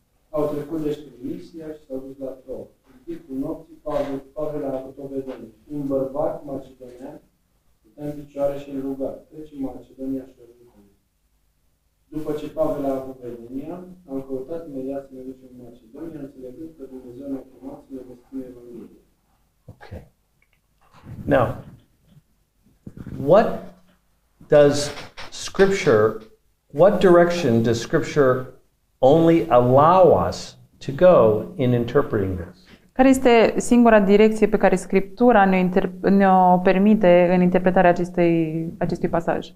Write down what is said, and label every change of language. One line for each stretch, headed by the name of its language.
Romanian: Au trecut deci prin Misia și s-au dus la Trou. În timpul nopții, Pavel a avut o vedenie. Un bărbat macedonean stătea în picioare și îl ruga, trece Macedonia și după ce Pavel a avut vedenia, am căutat imediat să ne ducem în Macedonia, înțelegând că Dumnezeu ne-a chemat să ne vestim Evanghelia. Ok.
English: Now, what does Scripture, what direction does Scripture only allow us to go in interpreting this?
Romanian: Care este singura direcție pe care Scriptura ne-o permite în interpretarea acestui pasaj?